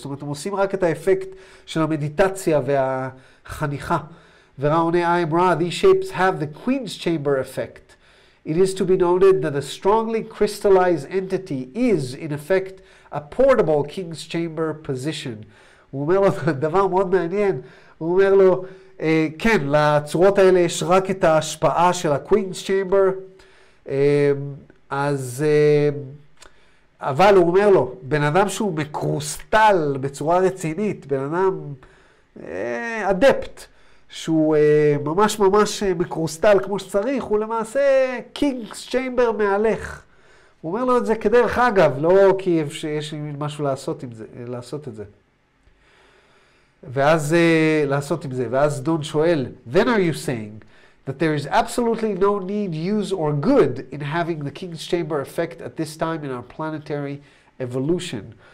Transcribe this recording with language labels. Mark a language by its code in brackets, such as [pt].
[he] זאת אומרת, הם עושים רק את האפקט של המדיטציה והחניכה. [en] וראוני, I'm Ra, these shapes have the queen's chamber effect. It is to be noted that a strongly crystallized entity is, in effect, a portable king's chamber position. [he] הוא אומר לו, דבר מאוד מעניין, הוא אומר לו, כן, לצורות האלה יש רק את ההשפעה של ה-Queen's Chamber, אז, אבל הוא אומר לו, בן אדם שהוא מקרוסטל בצורה רצינית, בן אדם אדפט, שהוא ממש ממש מקרוסטל כמו שצריך, הוא למעשה King's Chamber מהלך. הוא אומר לו את זה כדרך אגב, לא כי יש לי משהו לעשות עם זה, לעשות את זה. ואז לעשות עם זה, ואז דון שואל, [en] then are you saying that there is absolutely no need, use or good in having the king's chamber effect at this time in our planetary evolution?